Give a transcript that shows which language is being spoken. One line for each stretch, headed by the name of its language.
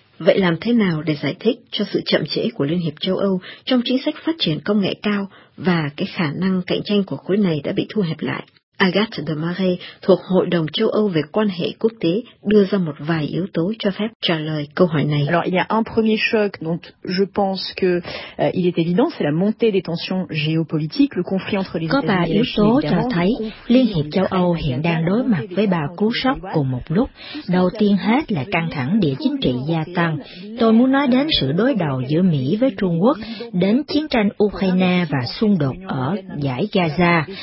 Vietnamese: Vậy làm thế nào để giải thích cho sự chậm trễ của Liên hiệp châu Âu trong chính sách phát triển công nghệ cao và cái khả năng cạnh tranh của khối này đã bị thu hẹp lại? Agathe de Marais thuộc Hội đồng châu Âu về quan hệ quốc tế đưa ra một vài yếu tố cho phép trả lời câu hỏi này.
French: Alors, il y a un premier choc dont je pense que il est évident, c'est la montée des tensions géopolitiques, le conflit entre les États-Unis et la Chine.
Vietnamese: Có ba yếu tố cho thấy Liên hiệp châu Âu hiện đang đối mặt với ba cú sốc cùng một lúc. Đầu tiên hết là căng thẳng địa chính trị gia tăng. Tôi muốn nói đến sự đối đầu giữa Mỹ với Trung Quốc, đến chiến tranh Ukraine và xung đột ở dải Gaza.